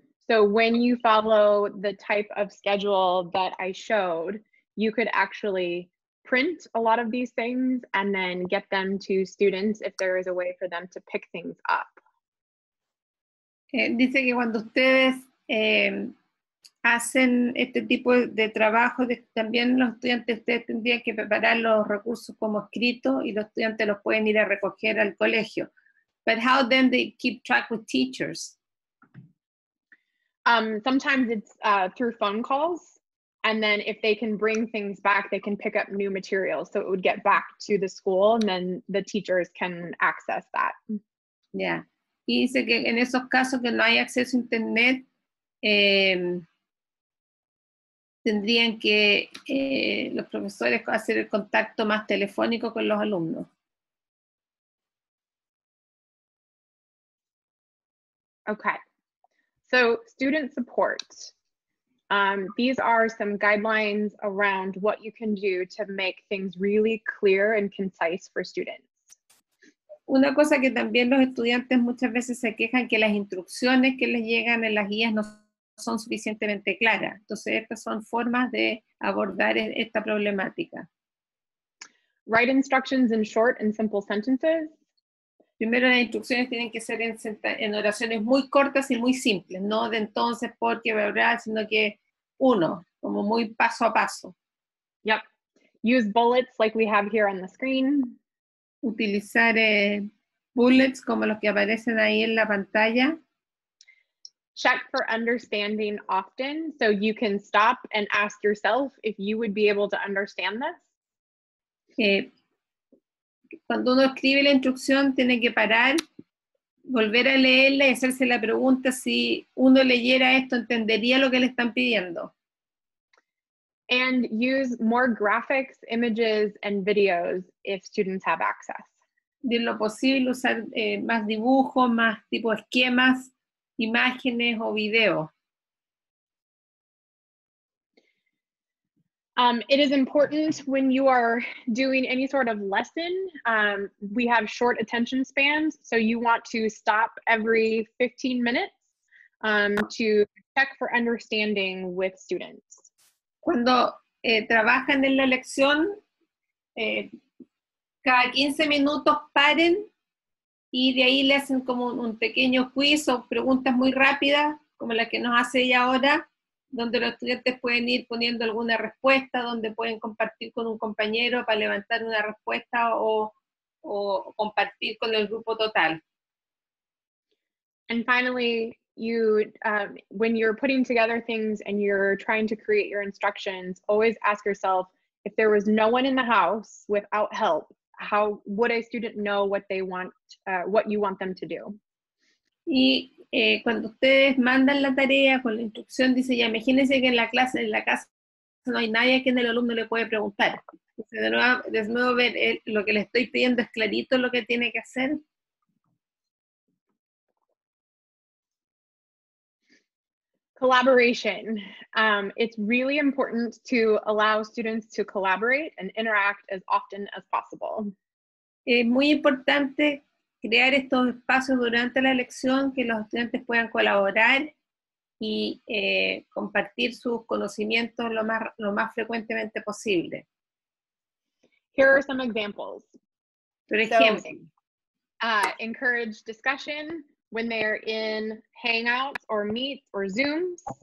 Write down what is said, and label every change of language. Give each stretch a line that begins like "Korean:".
English: So when you follow the type of schedule that I showed, you could actually print a lot of these things and then get them to students if there is a way for them to pick things up.
Spanish: Dice que cuando ustedes hacen este tipo de trabajo, también los estudiantes, ustedes tendrían que preparar los recursos como escrito y los estudiantes los pueden ir a recoger al colegio.
English: But how then they keep track with teachers? Sometimes it's through phone calls, and then if they can bring things back, they can pick up new materials, so it would get back to the school, and then the teachers can access that. Yeah.
Spanish: Y dice que en esos casos que no hay acceso a internet, tendrían que los profesores hacer el contacto más telefónico con los alumnos.
English: Okay. So student support. These are some guidelines around what you can do to make things really clear and concise for students.
Spanish: Una cosa que también los estudiantes muchas veces se quejan que las instrucciones que les llegan en las guías no son suficientemente claras. Entonces estas son formas de abordar esta problemática.
English: Write instructions in short and simple sentences.
Spanish: Primero, las instrucciones tienen que ser en oraciones muy cortas y muy simples, no de entonces, porque, verdad, sino que uno, como muy paso a paso.
English: Yep. Use bullets like we have here on the screen.
Spanish: Utilizar bullets como los que aparecen ahí en la pantalla.
English: Check for understanding often, so you can stop and ask yourself if you would be able to understand this.
Spanish: Cuando uno escribe la instrucción, tiene que parar, volver a leerla y hacerse la pregunta si uno leyera esto, entendería lo que le están pidiendo.
English: And use more graphics, images, and videos if students have access.
Spanish: De lo posible, usar más dibujos, más tipo esquemas, imágenes o video.
English: It is important when you are doing any sort of lesson, we have short attention spans, so you want to stop every 15 minutes to check for understanding with students.
Spanish: Cuando trabajan en la lección, cada 15 minutos paren y de ahí le hacen como un pequeño quiz o preguntas muy rápidas, como la que nos hace ella ahora. Donde los estudiantes pueden ir poniendo alguna respuesta, donde pueden compartir con un compañero para levantar una respuesta o compartir con el grupo total.
English: And finally, you, when you're putting together things and you're trying to create your instructions, always ask yourself, if there was no one in the house without help, how would a student know what they want, what you want them to do?
Spanish: Y cuando ustedes mandan la tarea con la instrucción, dice ya, imagínense que en la clase, en la casa, no hay nadie a quien el alumno le puede preguntar. De nuevo ver lo que le estoy pidiendo, ¿es clarito lo que tiene que hacer?
English: Collaboration. It's really important to allow students to collaborate and interact as often as possible.
Spanish: Es muy importante crear estos espacios durante la lección que los estudiantes puedan colaborar y compartir sus conocimientos lo más frecuentemente posible.
English: Here are some examples.
Spanish: Por ejemplo,
English: encourage discussion when they're in Hangouts or Meets or Zooms.